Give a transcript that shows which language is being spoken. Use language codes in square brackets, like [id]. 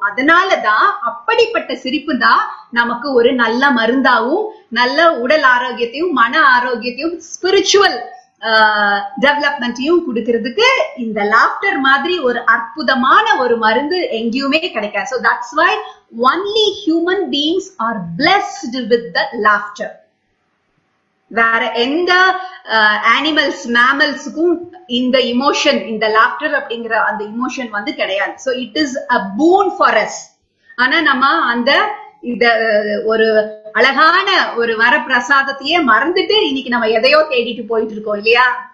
[ta] அதனால தான் அப்படிப்பட்ட சிரிப்பு தான் நமக்கு ஒரு நல்ல மருந்தாவும், நல்ல உடல் ஆரோக்கியத்தையும், மன ஆரோக்கியத்தையும், ஸ்பிரிச்சுவல் டெவலப்மெண்ட்டையும் கொடுக்கிறதுக்கு இந்த லாஃப்டர் மாதிரி ஒரு அற்புதமான ஒரு மருந்து எங்கேயுமே கிடைக்காது. [en] So that's why only human beings are blessed with the laughter. [ta] வேற எந்த அனிமல்ஸ் மேமல்ஸுக்கும் இந்த இமோஷன், இந்த லாஃப்டர் அப்படிங்கிற அந்த இமோஷன் வந்து கிடையாது. [en] So it is a boon for us. [ta] ஆனா நம்ம அந்த இந்த ஒரு அழகான ஒரு வர பிரசாதத்தையே மறந்துட்டு இன்னைக்கு நம்ம எதையோ தேடிட்டு போயிட்டு இருக்கோம் இல்லையா.